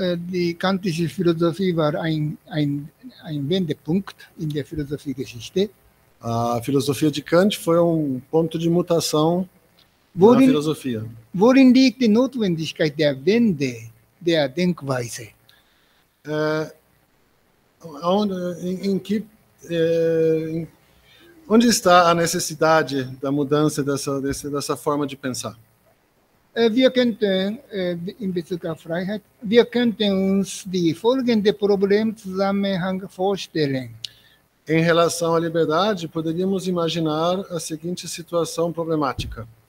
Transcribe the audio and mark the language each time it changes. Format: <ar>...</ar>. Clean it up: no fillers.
<de>Die kantische Philosophie war ein Wendepunkt in der Philosophiegeschichte.</de> <pt>A filosofia de Kant foi ponto de mutação na filosofia.</pt> <de>Worin liegt die Notwendigkeit der Wende der Denkweise?</de> <pt>Onde está a necessidade da mudança dessa forma de pensar?</pt> <de>Wir könnten uns die folgende Probleme zusammenhang vorstellen.</de> <pt>Em relação à liberdade, poderíamos imaginar a seguinte situação problemática.</pt>